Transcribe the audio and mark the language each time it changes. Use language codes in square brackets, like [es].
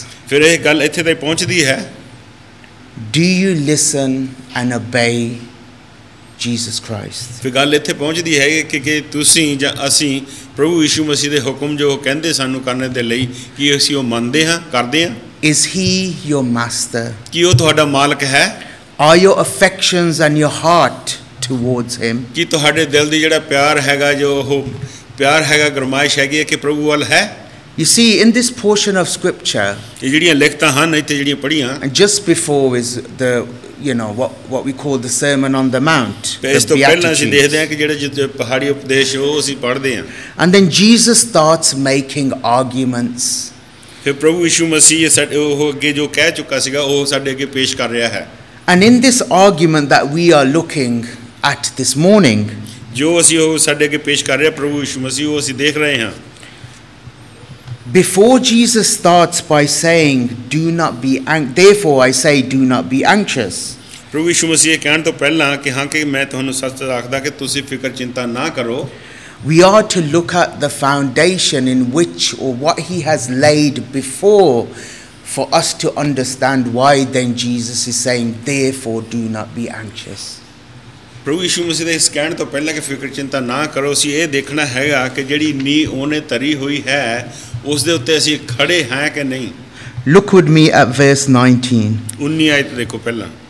[pa] ਫਿਰ ਇਹ ਗੱਲ ਇੱਥੇ ਤੱਕ ਪਹੁੰਚਦੀ ਹੈ [en] Do you listen and obey Jesus Christ? [pa] ਫਿਰ ਗੱਲ ਇੱਥੇ ਪਹੁੰਚਦੀ ਹੈ ਕਿ ਤੁਸੀਂ ਜਾਂ ਅਸੀਂ ਪ੍ਰਭੂ ਯਿਸੂ ਮਸੀਹ ਦੇ ਹੁਕਮ ਜੋ ਕਹਿੰਦੇ ਸਾਨੂੰ ਕਰਨ ਦੇ ਲਈ ਕੀ ਅਸੀਂ ਉਹ ਮੰਨਦੇ ਹਾਂ ਕਰਦੇ ਹਾਂ [en] Is he your master? [pa] ਕੀ ਉਹ ਤੁਹਾਡਾ ਮਾਲਕ ਹੈ [en] Are your affections and your heart towards him? [pa] ਕੀ ਤੁਹਾਡੇ ਦਿਲ ਦੀ ਜਿਹੜਾ ਪਿਆਰ ਹੈਗਾ ਜੋ ਉਹ ਪਿਆਰ ਹੈਗਾ ਗਰਮਾਇਸ਼ ਹੈਗੀ ਹੈ ਕਿ ਪ੍ਰਭੂ ਵੱਲ ਹੈ [en] You see in this portion of scripture [pa] ਜਿਹੜੀਆਂ ਲਿਖਤਾਂ ਹਨ ਇੱਥੇ ਜਿਹੜੀਆਂ ਪੜ੍ਹੀਆਂ [en] just before is the you know what we call the sermon on the mount [pa] ਇਸ ਤੋਂ ਪਹਿਲਾਂ ਅਸੀਂ ਦੇਖਦੇ ਹਾਂ ਕਿ ਜਿਹੜੇ ਜਿੱਥੇ ਪਹਾੜੀ ਉਪਦੇਸ਼ ਉਹ ਅਸੀਂ ਪੜ੍ਹਦੇ ਹਾਂ [en] and then Jesus starts making arguments [pa] ਫਿਰ ਪ੍ਰਭੂ ਯਿਸੂ ਮਸੀਹ ਸਾਡੇ ਉਹ ਅੱਗੇ ਜੋ ਕਹਿ ਚੁੱਕਾ ਸੀਗਾ ਉਹ ਸਾਡੇ ਅੱਗੇ ਪੇਸ਼ ਕਰ ਰਿਹਾ ਹੈ [en] and in this argument that we are looking at this morning [pa] ਜੋ ਅਸੀਂ ਉਹ ਸਾਡੇ ਅੱਗੇ ਪੇਸ਼ ਕਰ ਰਿਹਾ ਪ੍ਰਭੂ ਯਿਸੂ ਮਸੀਹ ਉਹ ਅਸੀਂ ਦੇਖ ਰਹੇ ਹਾਂ [en] Before Jesus starts by saying do not be therefore I say do not be anxious [pa] ਪ੍ਰਭੂ ਯਿਸੂ ਮਸੀਹ ਕਹਿਣ ਤੋਂ ਪਹਿਲਾਂ ਕਿ ਹਾਂ ਕਿ ਮੈਂ ਤੁਹਾਨੂੰ ਸੱਚ ਆਖਦਾ ਕਿ ਤੁਸੀਂ ਫਿਕਰ ਚਿੰਤਾ ਨਾ ਕਰੋ [en] we are to look at the foundation in which or what he has laid before for us to understand why then Jesus is saying therefore do not be anxious [pa] ਪ੍ਰਭੂ ਯਿਸੂ ਮਸੀਹ ਦੇ ਇਸ ਕਹਿਣ ਤੋਂ ਪਹਿਲਾਂ ਕਿ ਫਿਕਰ ਚਿੰਤਾ ਨਾ ਕਰੋ ਅਸੀਂ ਇਹ ਦੇਖਣਾ ਹੈਗਾ ਕਿ ਜਿਹੜੀ ਨੀਂਹ ਉਹਨੇ ਤਰੀ ਹੋਈ ਹੈ ਉਸ ਦੇ ਉੱਤੇ ਅਸੀਂ ਖੜੇ ਹਾਂ ਕਿ ਨਹੀਂ [en] look with me at verse 19 [pa] 19 ਆਇਤ ਦੇਖੋ ਪਹਿਲਾਂ